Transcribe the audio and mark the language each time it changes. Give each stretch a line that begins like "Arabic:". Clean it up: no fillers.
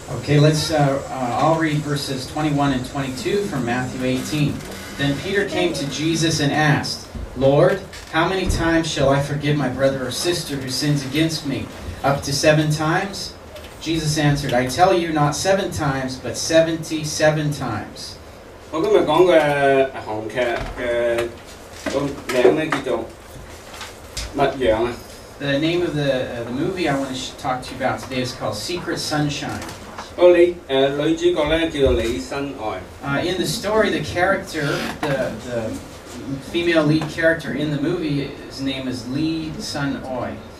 English: Okay, let's I'll read verses 21 and 22 from Matthew 18. Then Peter came to Jesus and asked, Lord, how many times shall I forgive my brother or sister who sins against me? Up to seven times? Jesus answered, I tell you, not seven times, but 77 times.
Chinese: 我今天讲的韩剧的名字叫《蜜羊》。The
English: name of the movie I want to talk to you about today is called Secret Sunshine.
Chinese: 女主角叫李新爱。
English: In the story, the character, the female lead character in the movie, his name is Lee Sun Oi.